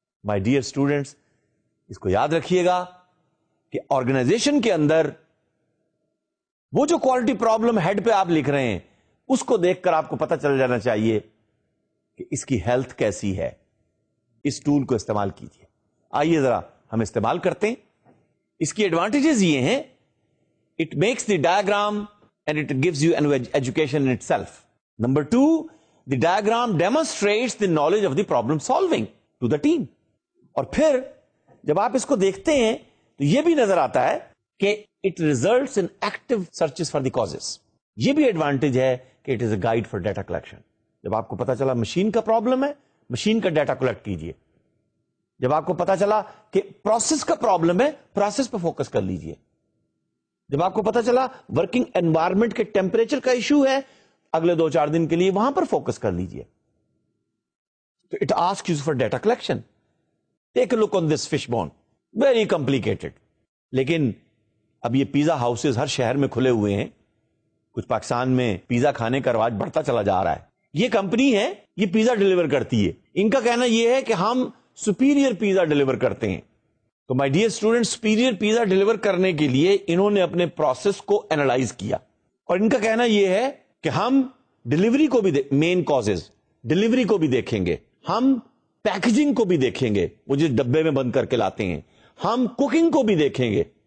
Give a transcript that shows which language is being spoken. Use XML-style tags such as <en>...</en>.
<ur>My dear students, اس کو یاد رکھیے گا کہ آرگنائزیشن کے اندر وہ جو کوالٹی پرابلم ہیڈ پہ آپ لکھ رہے ہیں اس کو دیکھ کر آپ کو پتہ چل جانا چاہیے کہ اس کی ہیلتھ کیسی ہے. اس ٹول کو استعمال کیجیے. آئیے ذرا ہم استعمال کرتے ہیں. اس کی ایڈوانٹیجز یہ ہیں،</ur> <en>It makes the diagram and it gives you an education in itself. Number two, the diagram demonstrates the knowledge of the problem solving to the team.</en> <ur>اور پھر جب آپ اس کو دیکھتے ہیں تو یہ بھی نظر آتا ہے کہ</ur> <en>It results in active searches for the causes.</en> <ur>یہ بھی ایڈوانٹیج ہے کہ</ur> <en>It is a guide for data collection.</en> <ur>جب آپ کو پتا چلا مشین کا پرابلم ہے، مشین کا ڈیٹا کلیکٹ کیجیے. جب آپ کو پتا چلا کہ پروسیس کا پرابلم ہے، پروسیس پہ فوکس کر لیجیے. جب آپ کو پتا چلا ورکنگ انوائرمنٹ کے ٹیمپریچر کا ایشو ہے، اگلے 2-4 دن کے لیے وہاں پر فوکس کر لیجیے.</ur> <en>تو it ask use for data collection. Take a look on this fish bone, very complicated.</en> <ur>لیکن اب یہ پیزا ہاؤسز ہر شہر میں کھلے ہوئے ہیں، کچھ پاکستان میں پیزا کھانے کا رواج بڑھتا چلا جا رہا ہے. یہ کمپنی ہے، یہ پیزا ڈلیور کرتی ہے. ان کا کہنا یہ ہے کہ ہم سپیریئر پیزا ڈلیور کرتے ہیں. تو my dear student, superior pizza deliver کرنے کے لیے انہوں نے اپنے پروسیس کو اینالائز کیا، اور ان کا کہنا یہ ہے کہ ہم ڈلیوری کو بھی مین کازز ڈلیوری کو بھی دیکھیں گے، ہم پیکجنگ کو بھی دیکھیں گے، وہ جس ڈبے میں بند کر کے لاتے ہیں، ہم کوکنگ کو بھی دیکھیں گے،</ur>